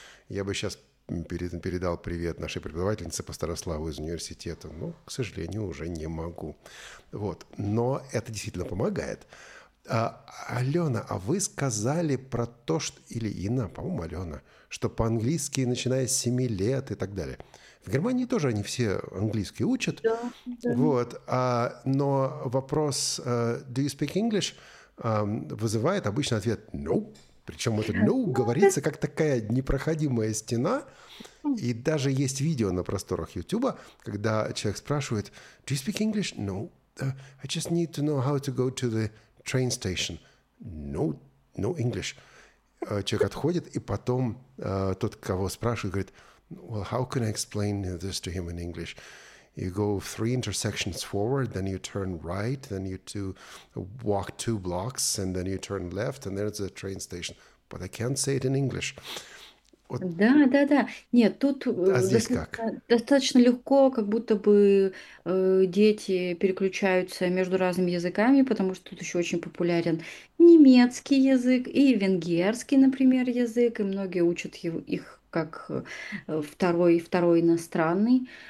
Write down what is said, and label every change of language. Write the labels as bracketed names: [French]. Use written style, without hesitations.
[Russian] Я бы сейчас передал привет нашей преподавательнице по старославу из университета, но, к сожалению, уже не могу. Вот. Но это действительно помогает. Алена, а вы сказали про то, что... Или Инна, по-моему, Алена, что по-английски, начиная с 7 лет и так далее. В Германии тоже они все английский учат. Да. Вот. Но вопрос [English] «Do you speak English?» [Russian] вызывает обычный ответ «No». Причем это «no» говорится как такая непроходимая стена. И даже есть видео на просторах YouTube, когда человек спрашивает [English] «Do you speak English?» «No». «I just need to know how to go to the train station». «No, no English». [Russian] Человек отходит, и потом тот, кого спрашивает, говорит [English] «Well, how can I explain this to him in English?» «You go three intersections forward, then you turn right, then you walk two blocks, and then you turn left, and there's a train station. But I can't say it in English». [Russian] Вот. Да. Нет, тут А здесь как? достаточно легко, как будто бы дети переключаются между разными языками, потому что тут еще очень популярен немецкий язык и венгерский, например, язык, и многие учат их как второй иностранный.